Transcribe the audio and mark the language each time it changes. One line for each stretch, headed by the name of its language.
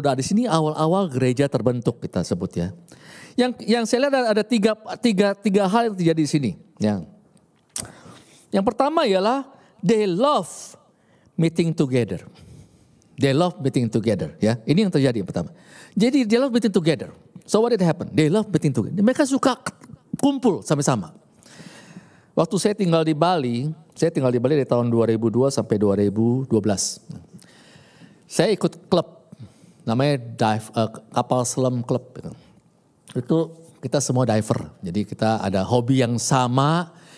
Indonesian: Nah, di sini awal-awal gereja terbentuk kita sebut ya. Yang saya lihat ada tiga hal yang terjadi di sini. Yang pertama ialah
English: they love meeting together. They love meeting together,
Indonesian: ya. Ini yang terjadi yang pertama. Jadi
English: they love meeting together. So what did happen? They love meeting together.
Indonesian: Mereka suka kumpul sama-sama. Waktu saya tinggal di Bali, dari tahun 2002 sampai 2012. Saya ikut klub namanya kapal selam klub. Itu kita semua diver. Jadi kita ada hobi yang sama.